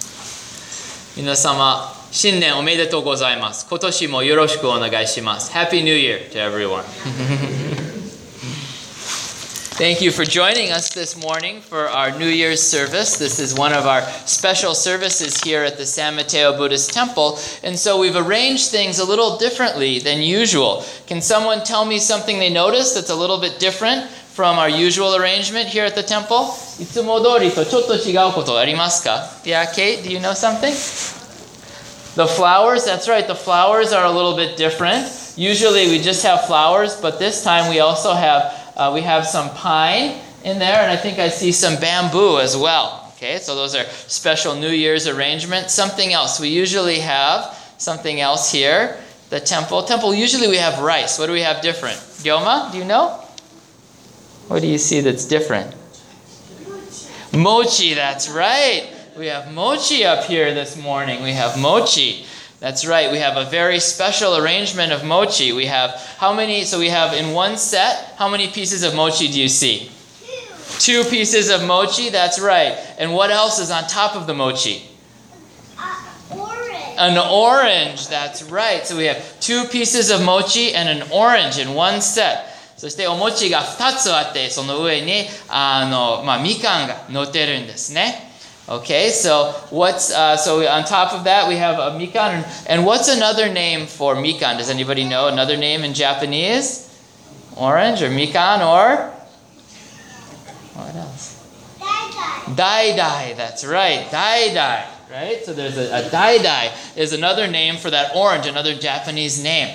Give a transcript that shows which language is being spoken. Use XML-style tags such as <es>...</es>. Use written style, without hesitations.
<ja>私は誓う。仏となる時は必ずこのお願い、この願を果たし遂げ、生じの苦におののくすべての人々に大きな安らぎを与えようと生んだ仏。皆様、新年おめでとうございます。今年もよろしくお願いします。</ja> <en>Happy New Year to everyone. Thank you for joining us this morning for our New Year's service. This is one of our special services here at the San Mateo Buddhist Temple. And so we've arranged things a little differently than usual. Can someone tell me something they noticed that's a little bit different from our usual arrangement here at the temple?</en> <ja>いつも通りとちょっと違うことありますか?</ja> <en>Yeah, Kate, do you know something? The flowers, that's right, the flowers are a little bit different. Usually we just have flowers, but this time we also have some pine in there, and I think I see some bamboo as well. Okay, so those are special New Year's arrangements. Something else, we usually have something else here, the temple. Temple, usually we have rice. What do we have different? Gyoma, do you know? What do you see that's different? Mochi, that's right. We have mochi up here this morning. We have mochi. That's right. We have a very special arrangement of mochi. We have how many? So we have in one set, how many pieces of mochi do you see? Two pieces of mochi. That's right. And what else is on top of the mochi? Orange. An orange. That's right. So we have two pieces of mochi and an orange in one set.</en> <ja>そしてお餅が2つあって、その上にみかんが乗ってるんですね。</ja> <en>Okay, so what's on top of that we have a mikan, and what's another name for mikan? Does anybody know another name in Japanese? Orange or mikan or what else? Dai dai. Dai dai. That's right. Dai dai. Right. So there's a dai dai is another name for that orange, another Japanese name.</en>